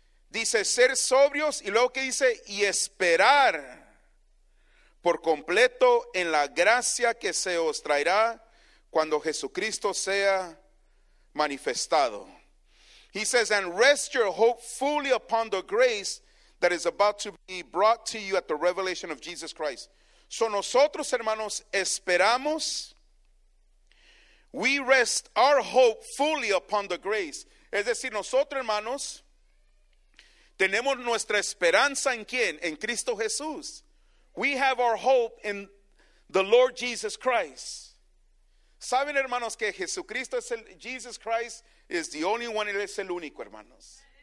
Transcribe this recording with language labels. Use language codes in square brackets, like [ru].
[es] Dice, ser sobrios, y luego que dice, y esperar por completo en la gracia que se os traerá cuando Jesucristo sea manifestado. [en] He says, and rest your hope fully upon the grace that is about to be brought to you at the revelation of Jesus Christ. [es] So nosotros, hermanos, esperamos. [en] We rest our hope fully upon the grace. [es] Es decir, nosotros, hermanos, tenemos nuestra esperanza en quién? En Cristo Jesús. [en] We have our hope in the Lord Jesus Christ. [es] Saben, hermanos, que Jesucristo es el, [en] Jesus Christ is the only one, [es] él es el único, hermanos.